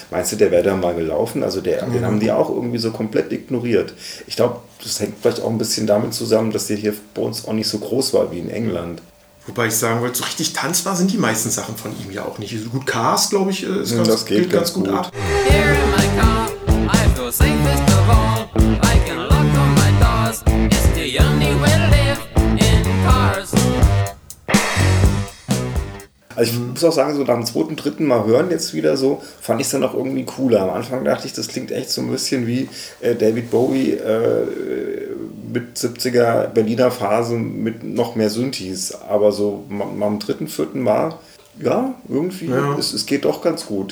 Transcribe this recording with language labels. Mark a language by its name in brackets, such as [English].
[German] Meinst du, der wäre da mal gelaufen? Also den haben die auch irgendwie so komplett ignoriert. Ich glaube, das hängt vielleicht auch ein bisschen damit zusammen, dass der hier bei uns auch nicht so groß war wie in England. Wobei ich sagen wollte, so richtig tanzbar sind die meisten Sachen von ihm ja auch nicht. So gut Cars, glaube ich, ist ganz, das geht ganz gut ab. [English] Here in my car, I feel safest of all. I can lock all my doors. It's the only way to live in cars. [German] Also ich muss auch sagen, so nach dem 2., 3. Mal hören jetzt wieder so, fand ich es dann auch irgendwie cooler. Am Anfang dachte ich, das klingt echt so ein bisschen wie David Bowie mit 70er Berliner Phase mit noch mehr Synthies. Aber so am 3., 4. Mal, ja, irgendwie, es geht doch ganz gut.